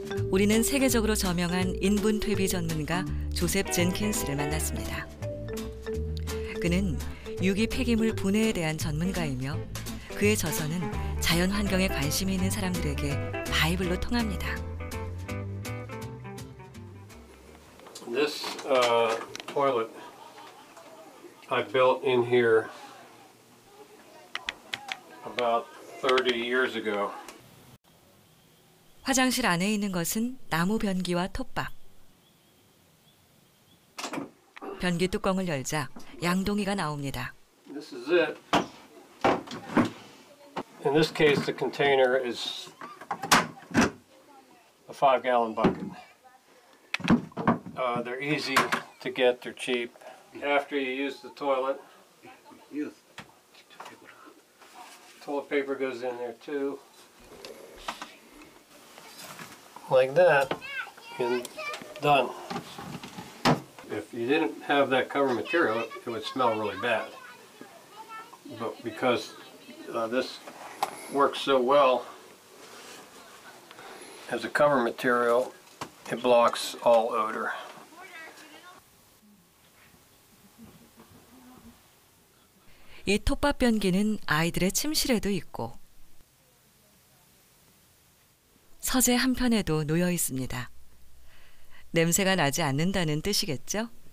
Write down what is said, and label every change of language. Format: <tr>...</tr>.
<ko>우리는 세계적으로 저명한 인분 퇴비 전문가 조셉 젠킨스를 만났습니다. 그는 유기 폐기물 분해에 대한 전문가이며 그의 저서는 자연 환경에 관심이 있는 사람들에게 바이블로 통합니다.</ko> <en>This toilet I built in here about 30 years ago.</en> <ko>화장실 안에 있는 것은 나무 변기와 톱밥. 변기 뚜껑을 열자 양동이가 나옵니다.</ko> <en>This is it. In this case, the container is a 5-gallon bucket. They're easy to get. They're cheap. After you use the toilet, toilet paper goes in there too. Like that, and done. If you didn't have that cover material, it would smell really bad. But because this works so well as a cover material, it blocks all odor.</en> <ko>이 톱밥 변기는 아이들의 침실에도 있고 서재 한편에도 놓여 있습니다. 냄새가 나지 않는다는 뜻이겠죠?</ko>